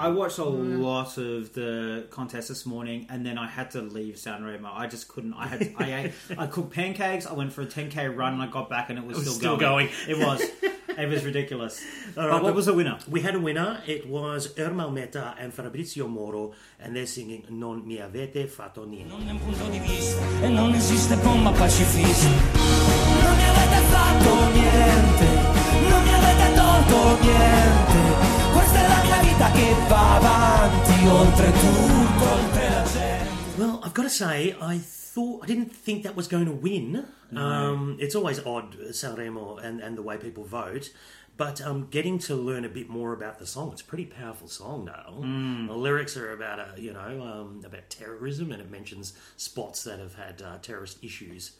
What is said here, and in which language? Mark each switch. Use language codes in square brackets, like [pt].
[en] I watched a lot of the contest this morning and then I had to leave Sanremo. I just couldn't. I cooked pancakes. I went for a 10K run and I got back and it was still going. It was ridiculous. All right, but what was the winner? We had a winner. It was Ermal Meta and Fabrizio Moro, and they're singing Non mi avete fatto niente. [it] Non è un punto di vista e non esiste bomba pacifista. Non mi avete fatto niente, non mi avete tolto niente. Questa è la mia vita che va avanti oltre tutto, oltre la gente. [en] Well, I've got to say, I didn't think that was going to win. No. It's always odd, Sanremo, and the way people vote. But getting to learn a bit more about the song, it's a pretty powerful song, Dale. Mm. The lyrics are about, about terrorism, and it mentions spots that have had terrorist issues.